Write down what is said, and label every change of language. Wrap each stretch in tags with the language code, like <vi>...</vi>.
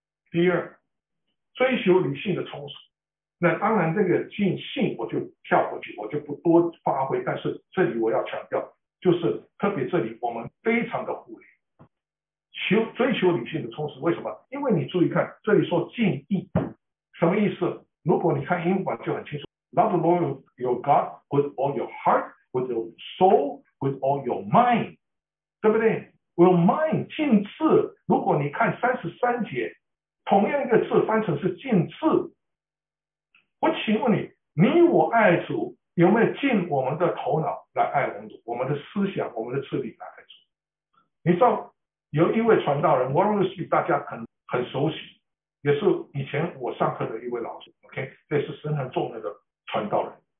<zh>第二，追求理性的充实。那当然这个尽性我就跳过去，我就不多发挥，但是这里我要强调，就是特别这里我们非常的忽略，追求理性的充实。为什么？因为你注意看，这里说尽意，什么意思？如果你看英文就很清楚，</zh> <en>Love the Lord your God with all your heart, with your soul,With all your mind，</en> <zh>对不对</zh> <en>？Will mind</en> <zh>尽智。如果你看33节，同样一个字翻成是尽智，我请问你，你我爱主有没有尽我们的头脑来爱我们主，我们的思想、我们的智力来爱主？你知道有一位传道人 Warren Wiersbe， 大家很熟悉，也是以前我上课的一位老师 ，OK， 这也是神很重要的传道人。</zh>